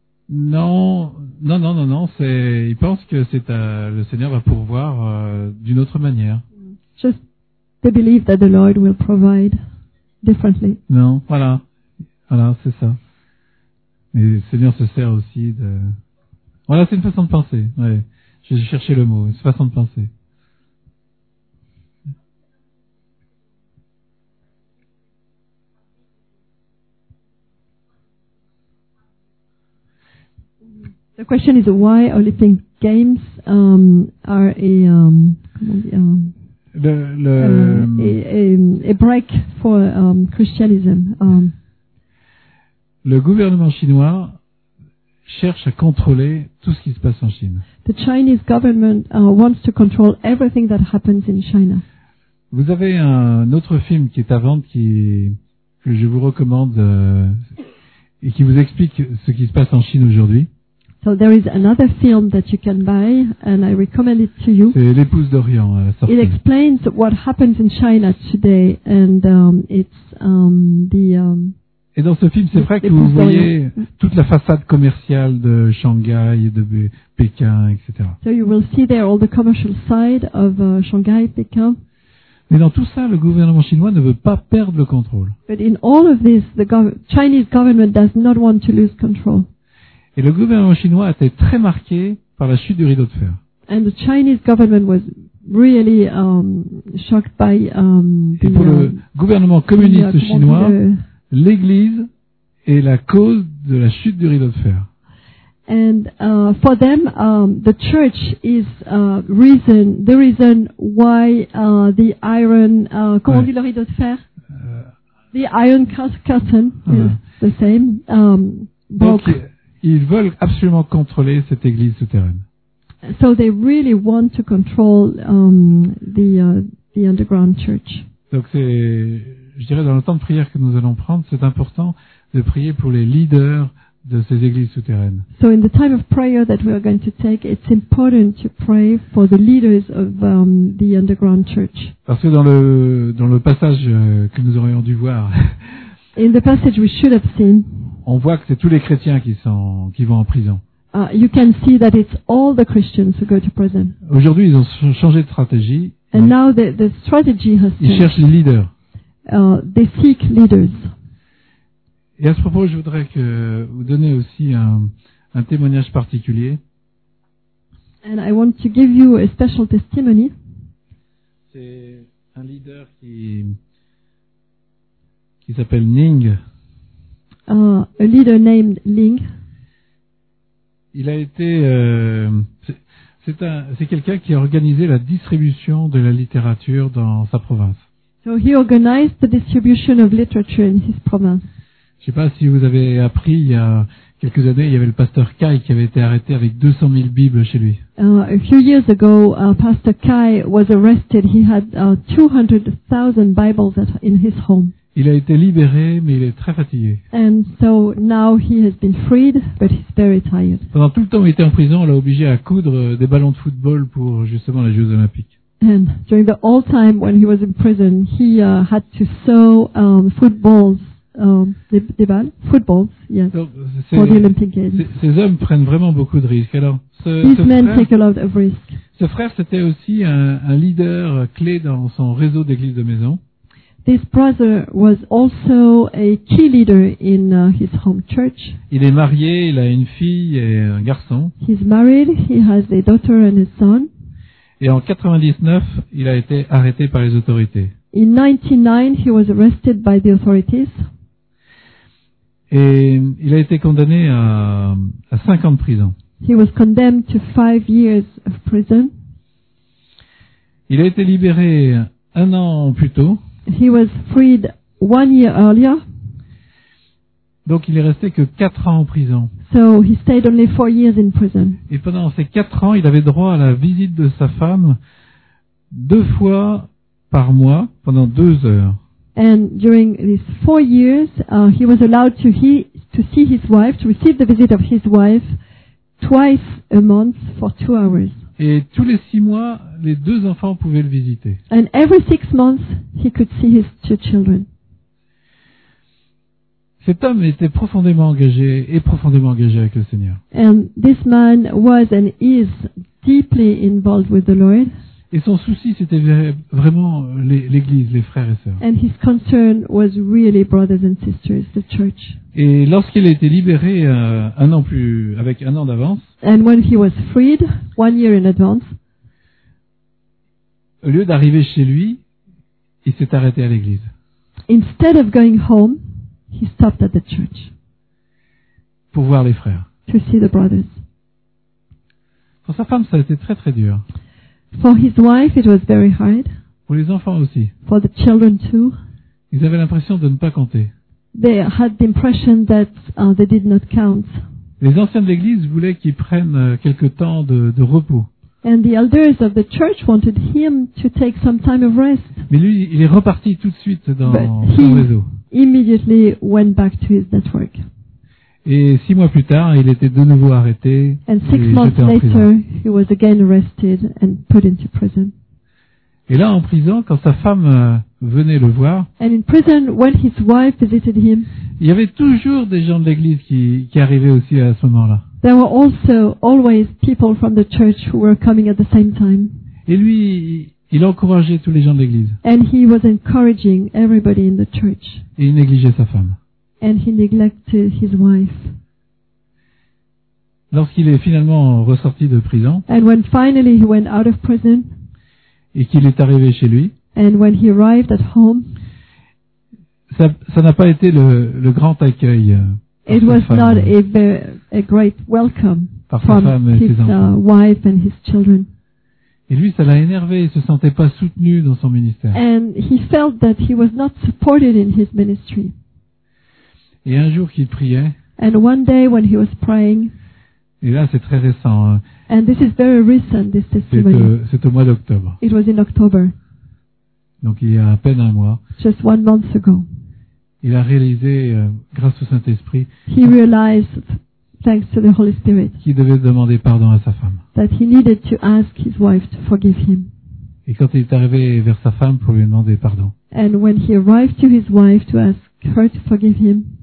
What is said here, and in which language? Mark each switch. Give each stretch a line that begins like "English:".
French: Non, ils pensent que le Seigneur va pourvoir d'une autre manière.
English: Just they believe that the Lord will provide differently.
French: Non, voilà, c'est ça. Mais le Seigneur se sert aussi de. Voilà, c'est une façon de penser. Ouais, j'ai cherché le mot. C'est une façon de penser.
English: The question is why Olympic Games a break for Christianism.
French: Le gouvernement chinois cherche à contrôler tout ce qui se passe en Chine.
English: The Chinese government wants to control everything that happens in China.
French: Vous avez un autre film qui est à vendre que je vous recommande et qui vous explique ce qui se passe en Chine aujourd'hui.
English: So there is another film that you can buy and I recommend it to you.
French: C'est L'épouse d'Orient à la sortie.
English: It explains what happens in China today and it's the
French: Et dans ce film, c'est vrai que vous voyez toute la façade commerciale de Shanghai, de Pékin, etc.
English: So you will see there all the commercial side of Shanghai, Pékin.
French: Mais dans tout ça, le gouvernement chinois ne veut pas perdre le contrôle.
English: But in all of this, the Chinese government does not want to lose control.
French: Et le gouvernement chinois a été très marqué par la chute du rideau de fer.
English: And the Chinese government was really shocked by
French: Et pour le gouvernement communiste chinois, l'église est la cause de la chute du rideau de fer.
English: And for them the church is the reason why the iron
French: comment dit le rideau de fer?
English: The iron curtain is the same broke.
French: Ils veulent absolument contrôler cette église souterraine.
English: So they really want to control the underground church.
French: Donc c'est, je dirais, dans le temps de prière que nous allons prendre, c'est important de prier pour les leaders de ces églises souterraines.
English: So in the time of prayer that we are going to take, it's important to pray for the leaders of the underground church.
French: Parce que dans le passage que nous aurions dû voir.
English: In the passage we should have seen.
French: On voit que c'est tous les chrétiens qui vont en prison.
English: You can see that it's all the Christians who go to prison.
French: Aujourd'hui, ils ont changé de stratégie.
English: And now the strategy has changed.
French: Ils cherchent les leaders.
English: They seek leaders.
French: Et à ce propos, je voudrais que vous donniez aussi un témoignage particulier.
English: And I want to give you a special testimony.
French: C'est un leader qui s'appelle Ning.
English: A leader named Ling.
French: Il a été, c'est quelqu'un qui a organisé la distribution de la littérature dans sa province.
English: So he organized the distribution of literature in his province.
French: Je ne sais pas si vous avez appris, il y a quelques années, il y avait le pasteur Kai qui avait été arrêté avec 200 000 Bibles chez lui.
English: A few years ago, Pastor Kai was arrested. He had 200 000 Bibles in his home.
French: Il a été libéré, mais il est très fatigué.
English: And so now he has been freed, but he's very tired.
French: Pendant tout le temps où il était en prison, on l'a obligé à coudre des ballons de football pour justement les Jeux Olympiques.
English: And during the whole time when he was in prison, he had to sew footballs,
French: des balles,
English: footballs, yes,
French: donc,
English: for the Olympic Games.
French: Ces hommes prennent vraiment beaucoup de risques. Alors,
English: take a lot of risk.
French: Ce frère, c'était aussi un leader clé dans son réseau d'églises de maison.
English: This brother was also a key leader in his home church.
French: Il est marié, il a une fille et un garçon.
English: He's married, he has a daughter and a son.
French: Et en 99, il a été arrêté par les autorités.
English: In 99, he was arrested by the authorities.
French: Et il a été condamné à 5 ans de prison.
English: He was condemned to 5 years of prison.
French: Il a été libéré un an plus tôt.
English: He was freed 1 year earlier.
French: Donc il est resté que 4 ans en prison.
English: So he stayed only 4 years in prison.
French: Et pendant ces 4 ans, il avait droit à la visite de sa femme 2 fois par mois pendant 2 heures.
English: And during these 4 years, he was allowed to see his wife, to receive the visit of his wife twice a month for 2 hours.
French: Et tous les 6 mois, les 2 enfants pouvaient le visiter.
English: And every 6 months, he could see his 2 children.
French: Cet homme était profondément engagé et profondément engagé avec le Seigneur.
English: And this man was and is deeply involved with the Lord.
French: Et son souci, c'était vraiment l'église, les frères et sœurs.
English: And his concern was really brothers and sisters, the church.
French: Et lorsqu'il a été libéré avec un an d'avance.
English: And when he was freed, 1 year in advance.
French: Au lieu d'arriver chez lui, il s'est arrêté à l'église.
English: Instead of going home, he stopped at the church.
French: Pour voir les frères.
English: To see the brothers.
French: Pour sa femme, ça a été très très dur.
English: For his wife, it was very hard.
French: Pour les enfants aussi.
English: For the children too.
French: Ils avaient l'impression de ne pas compter.
English: They had the impression that they did not count.
French: Les anciens de l'église voulaient qu'ils prennent quelque temps de repos.
English: And the elders of the church wanted him to take some time of rest.
French: Mais lui, il est reparti tout de suite dans son réseau.
English: Immediately went back to his network.
French: Et 6 mois plus tard, il était de nouveau arrêté
English: and
French: et jeté en prison.
English: Later, he was again arrested and put into prison.
French: Et là, en prison, quand sa femme venait le voir,
English: and in prison, when his wife visited him,
French: il y avait toujours des gens de l'église qui arrivaient aussi à ce moment-là.
English: There were also always people from the church who were coming at the same time.
French: Et lui, il encourageait tous les gens de l'église.
English: And he was encouraging everybody in the church.
French: Et il négligeait sa femme.
English: And he neglected his wife.
French: Lorsqu'il est finalement ressorti de prison,
English: and when finally he went out of prison,
French: et qu'il est arrivé chez lui,
English: and when he arrived at home,
French: ça n'a pas été le grand accueil.
English: It was
French: femme.
English: Not a great welcome
French: par
English: from
French: sa femme
English: his wife and his children.
French: Et lui, ça l'a énervé. Il se sentait pas soutenu dans son ministère.
English: And he felt that he was not supported in his ministry.
French: Et un jour qu'il priait,
English: and one day when he was praying,
French: et là c'est très récent,
English: And this is very recent, this testimony.
French: C'est au mois d'octobre.
English: It was in October.
French: Donc il y a à peine un mois.
English: Just one month ago.
French: Il a réalisé, grâce au Saint-Esprit,
English: he realized, thanks to the Holy Spirit,
French: qu'il devait demander pardon à sa femme.
English: That he needed to ask his wife to forgive him.
French: Et quand il est arrivé vers sa femme pour lui demander pardon,
English: and when he arrived to his wife to ask her to forgive him,